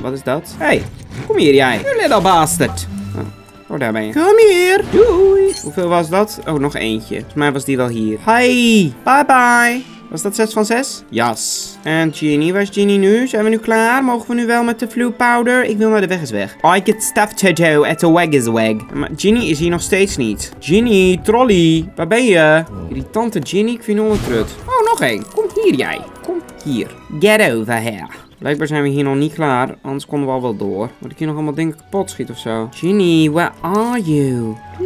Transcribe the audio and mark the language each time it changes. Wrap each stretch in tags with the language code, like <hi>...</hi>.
<nl>Wat is dat? Hey, kom hier jij.</nl> <en>You little bastard.</en> <nl>Oh, daar ben je. Kom hier. Doei. Hoeveel was dat? Oh, nog eentje. Volgens mij was die wel hier. Hi. Bye bye. Was dat 6 van 6? Yes. En Ginny, waar is Ginny nu? Zijn we nu klaar? Mogen we nu wel met de flu powder? Ik wil naar de weg is weg.</nl> <en>I get stuff to do at the wag is wag.</en> <nl>Maar Ginny is hier nog steeds niet. Ginny, trolley, waar ben je? Irritante Ginny, ik vind het trut. Oh, nog één. Kom hier jij. Kom hier.</nl> <en>Get over here.</en> <nl>Blijkbaar zijn we hier nog niet klaar, anders konden we al wel door. Moet ik hier nog allemaal dingen kapot schieten of zo?</nl> <en>Ginny, where are you?</en>